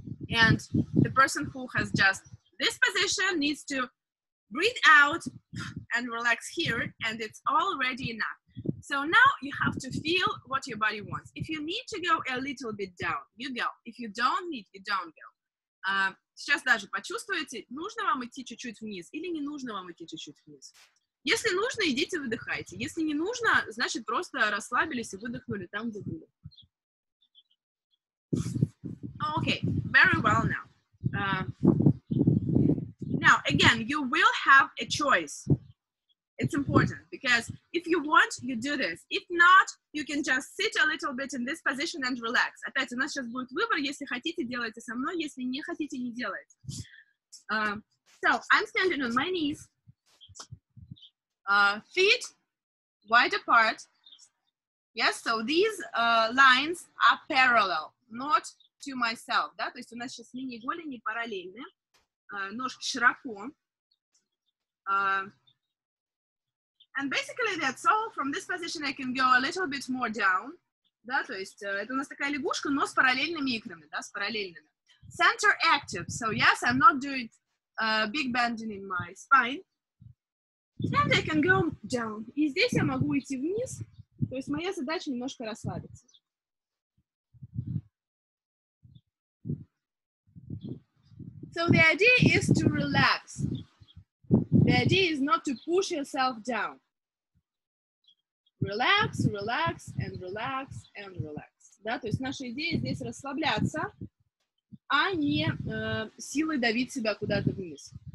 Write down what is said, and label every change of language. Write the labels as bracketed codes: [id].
[en] And the person who has just this position needs to breathe out and relax here, and it's already enough. So now you have to feel what your body wants. If you need to go a little bit down, you go. If you don't need, you don't go. [ru] Сейчас даже почувствуете, нужно вам идти чуть-чуть вниз или не нужно вам идти чуть-чуть вниз. Если нужно, идите, выдыхайте. Если не нужно, значит, просто расслабились и выдохнули там, где были. [en] Okay, very well now. Now, again, you will have a choice. It's important, because if you want, you do this. If not, you can just sit a little bit in this position and relax. [ru] Опять, у нас сейчас будет выбор, если хотите, делайте со мной, если не хотите, не делайте. [en] So, I'm standing on my knees. Feet wide apart, yes, so these lines are parallel, not to myself, [ru] да, то есть у нас сейчас мини-голени параллельны, ножки широко, [en] and basically that's all, from this position I can go a little bit more down, [ru] да, то есть это у нас такая лягушка, но с параллельными [en] икрами, да, с параллельными. Center active, so yes, I'm not doing big bending in my spine. And I can go down. [ru] И здесь я могу идти вниз, то есть моя задача немножко расслабиться. [en] So the idea is to relax. The idea is not to push yourself down. Relax, relax, and relax, and relax. [ru] Да, то есть наша идея здесь расслабляться, а не силой давить себя куда-то вниз.